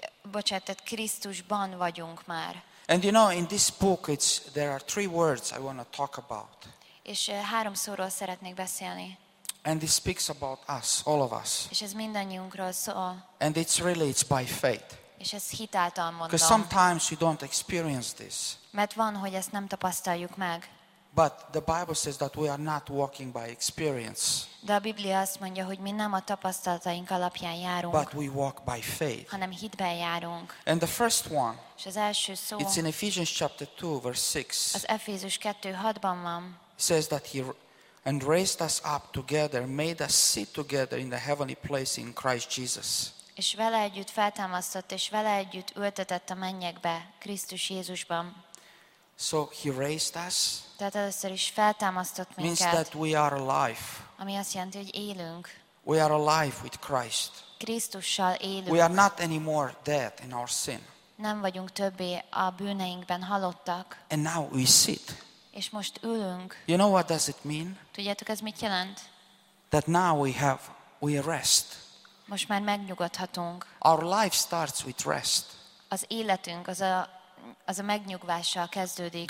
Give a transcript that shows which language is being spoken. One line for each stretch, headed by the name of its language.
Hungarian: Bocsánat, Krisztusban vagyunk már.
English: And you know, in this book, there are three words I want to talk about.
Hungarian: És három szóról szeretnék beszélni.
English: And it speaks about us, all of us.
Hungarian: És ez mindannyiunkról szól.
English: And it's really, it's by faith.
Hungarian: És ez hit által mondom.
English: Because sometimes we don't experience this.
Hungarian: Mert van, hogy ezt nem tapasztaljuk meg.
English: But the Bible says that we are not walking by experience.
Hungarian: De a Biblia azt mondja, hogy mi nem a tapasztalataink alapján járunk.
English: But we walk by faith.
Hungarian: Hanem hitben járunk.
English: And the first one.
Hungarian: És az első szó.
English: It's in Ephesians chapter 2, verse 6.
Hungarian: Az Efézus 2:6-ban van.
English: Says that he and raised us up together, made us sit together in the heavenly place in Christ Jesus.
Hungarian: És vele együtt feltámasztott, és vele együtt ültetett a mennyekbe, Krisztus Jézusban.
English: So he raised us.
Hungarian: Tehát először is feltámasztott minket.
English: Means that we are alive.
Hungarian: Ami azt jelenti, hogy élünk.
English: We are alive with Christ.
Hungarian: Krisztussal élünk.
English: We are not anymore dead in our sin.
Hungarian: Nem vagyunk többé a bűneinkben halottak.
English: And now we sit.
Hungarian: És most ülünk.
English: You know what does it mean?
Hungarian: Tudjátok, ez mit jelent?
English: That now we rest.
Hungarian: Most már megnyugodhatunk.
English: Our life starts with rest.
Hungarian: Az életünk az a megnyugvással kezdődik.